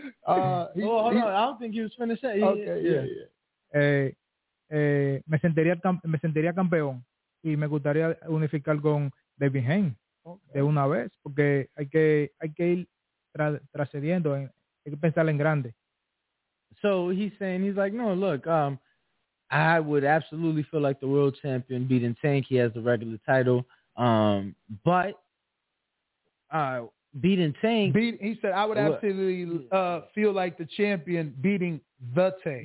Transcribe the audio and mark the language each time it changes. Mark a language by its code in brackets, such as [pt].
[en] I don't think he was finished. Okay, yeah. [es] Me sentiría campeón. Y me gustaría unificar con David Hain, okay, de una vez, porque hay que ir trascendiendo, hay que pensar en grande. [en] So he's saying, he's like, no, look, I would absolutely feel like the world champion beating Tank. He has the regular title. But beating Tank. He said, I would absolutely feel like the champion beating the Tank.